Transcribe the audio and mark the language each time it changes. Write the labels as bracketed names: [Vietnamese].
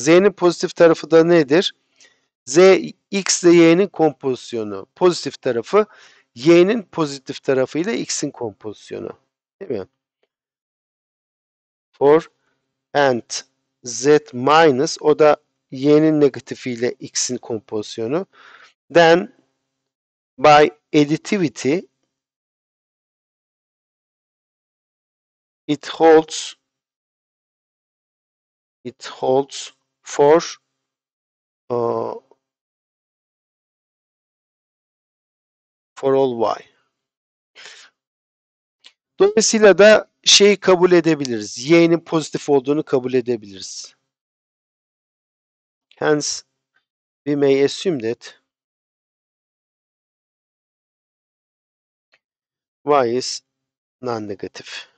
[Turkish] Z'nin pozitif tarafı da nedir? Z x ile y'nin kompozisyonu. Pozitif tarafı y'nin pozitif tarafıyla x'in kompozisyonu. Değil mi? [English] For and z minus [Turkish] o da y'nin negatifiyle x'in kompozisyonu. [English] Then by additivity it holds for all y. [Turkish] Dolayısıyla da şeyi kabul edebiliriz. Y'nin pozitif olduğunu kabul edebiliriz. [English] Hence, we may assume that y is non-negative.